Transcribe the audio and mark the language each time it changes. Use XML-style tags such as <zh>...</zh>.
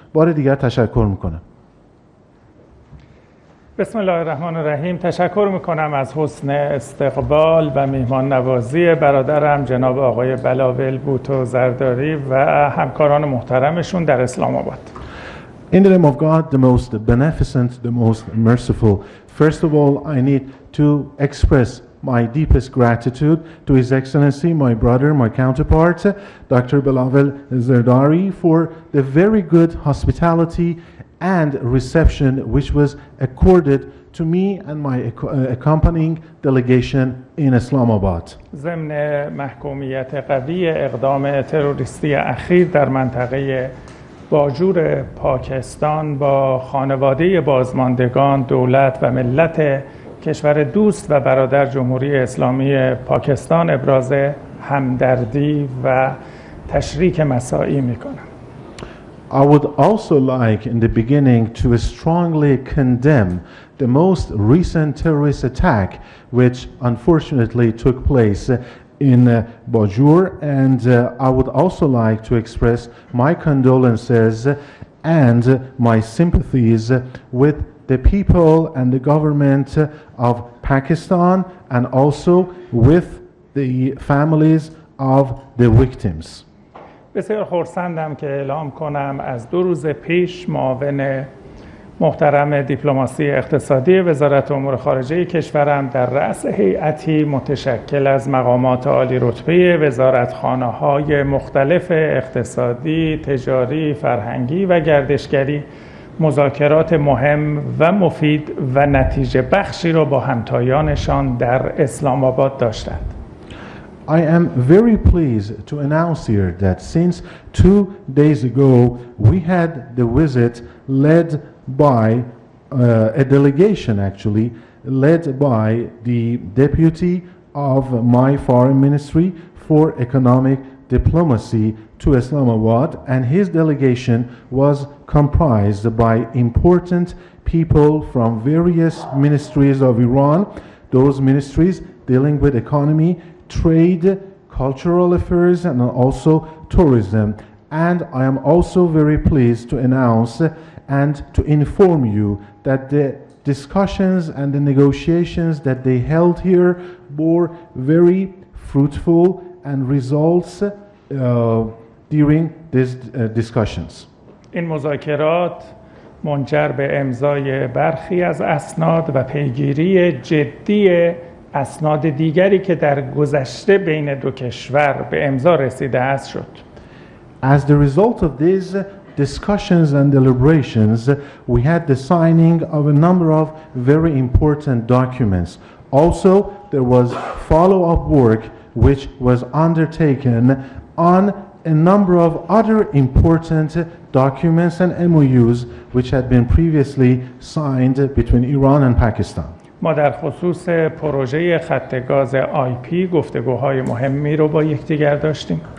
<fa>بار دیگر تشکر میکنم. بسم الله الرحمن الرحیم. تشکر میکنم از حسن استقبال و مهمان نوازی برادرم جناب آقای بلاول بوتو زرداری و همکاران محترمشون در اسلام آباد.</fa> <en>In the name of God, the most beneficent, the most merciful. First of all, I need to express my deepest gratitude to His Excellency, my brother, my counterpart, Dr. Bilawal Zardari, for the very good hospitality and reception which was accorded to me and my accompanying delegation in Islamabad.</en> <fa>ضمن محکومیت قوی اقدام تروریستی اخیر در منطقه باجور پاکستان با خانواده بازماندگان دولت و ملت کشور دوست و برادر جمهوری اسلامی پاکستان ابراز همدردی و تشریک مساعی میکنم.</fa> <en>I would also like in the beginning to strongly condemn the most recent terrorist attack which unfortunately took place in Bajur, and I would also like to express my condolences and my sympathies with the people and the government of Pakistan and also with the families of the victims.</en> <fa>بسیار خرسندم که اعلام کنم از دو روز پیش معاون محترم دیپلماسی اقتصادی وزارت امور خارجه کشورم در رأس هیئتی متشکل از مقامات عالی رتبه وزارتخانه‌های مختلف اقتصادی، تجاری، فرهنگی و گردشگری مذاکرات مهم و مفید و نتیجه بخشی را با همتایانشان در اسلام آباد داشتند.</fa> <en>I am very pleased to announce here that since 2 days ago we had the visit led by a delegation actually led by the deputy of my foreign ministry for economic diplomacy to Islamabad, and his delegation was comprised by important people from various ministries of Iran, those ministries dealing with economy, trade, cultural affairs and also tourism. And I am also very pleased to announce and to inform you that the discussions and the negotiations that they held here bore very fruitful and results during these discussions.</en> <fa>این مذاکرات منجر به امضای برخی از اسناد و پیگیری جدی اسناد دیگری که در گذشته بین دو کشور به امضا رسیده است شد.</fa> <en>As the result of these discussions and deliberations, we had the signing of a number of very important documents. Also, there was follow-up work which was undertaken on a number of other important documents and MOUs which had been previously signed between Iran and Pakistan.</en> <fa>ما در خصوص پروژه خط گاز IP گفتگوهای مهمی رو با یکدیگر داشتیم.</fa>